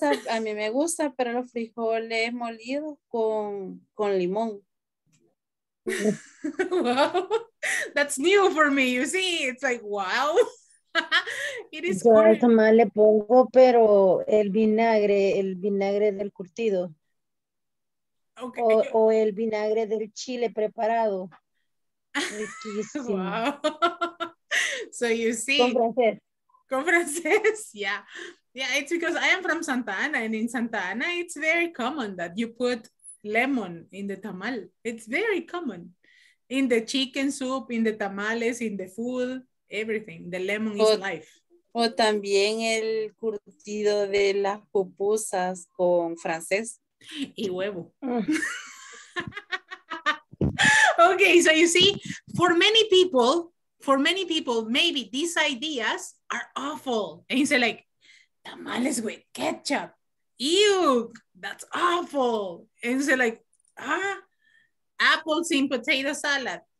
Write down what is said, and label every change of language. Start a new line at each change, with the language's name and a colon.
Spanish: A mí me gusta, pero los frijoles molidos con limón.
English: Wow, that's new for me, you see, it's like, wow. It is
Spanish: yo al tamal le pongo, pero el vinagre del curtido. Okay. O el vinagre del chile preparado. Riquísimo. Wow.
English: So you see.
Spanish: Con francés. Con francés, yeah.
English: Yeah, it's because I am from Santa Ana, and in Santa Ana, it's very common that you put lemon in the tamal. It's very common. In the chicken soup, in the tamales, in the food, everything. The lemon is life.
Spanish: O también el curtido de las pupusas con francés. Y huevo.
English: Okay, so you see, for many people, maybe these ideas are awful. And you say like, tamales with ketchup. Ew, that's awful. And you say like, apples in potato salad.